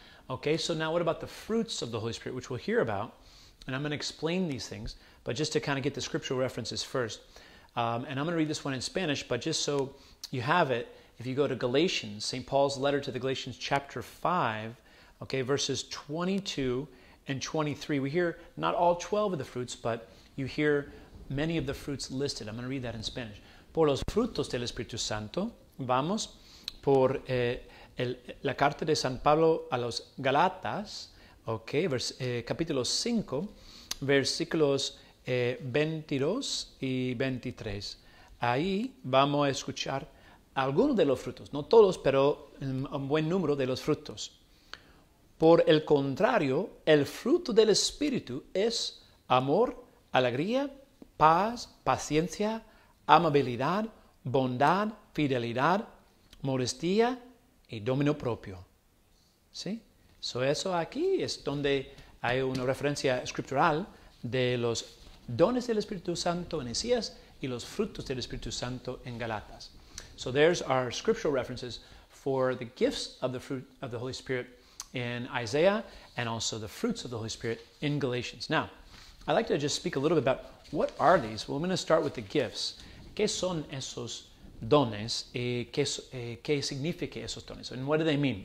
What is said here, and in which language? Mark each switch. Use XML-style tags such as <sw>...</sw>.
<en>Okay, so now what about the fruits of the Holy Spirit, which we'll hear about, and I'm going to explain these things, but just to kind of get the scriptural references first, and I'm going to read this one in Spanish, but just so you have it, if you go to Galatians, St. Paul's letter to the Galatians chapter 5, okay, verses 22 and 23, we hear not all 12 of the fruits, but you hear many of the fruits listed. I'm going to read that in Spanish.</en> <es>Por los frutos del Espíritu Santo, vamos por la carta de San Pablo a los Galatas, okay, capítulo 5, versículos 22 y 23. Ahí vamos a escuchar algunos de los frutos, no todos, pero un buen número de los frutos. Por el contrario, el fruto del Espíritu es amor, alegría, paz, paciencia, amabilidad, bondad, fidelidad, modestia y dominio propio. ¿Sí? So eso aquí es donde hay una referencia escritural de los dones del Espíritu Santo en Isaías y los frutos del Espíritu Santo en Galatas.</es> <en>So there's our scriptural references for the gifts of the fruit of the Holy Spirit in Isaiah and also the fruits of the Holy Spirit in Galatians. Now, I'd like to just speak a little bit about what are these? Well, I'm going to start with the gifts.</en> <es>¿Qué son esos dones? ¿Qué significa esos dones?</es> <en>And what do they mean?</en>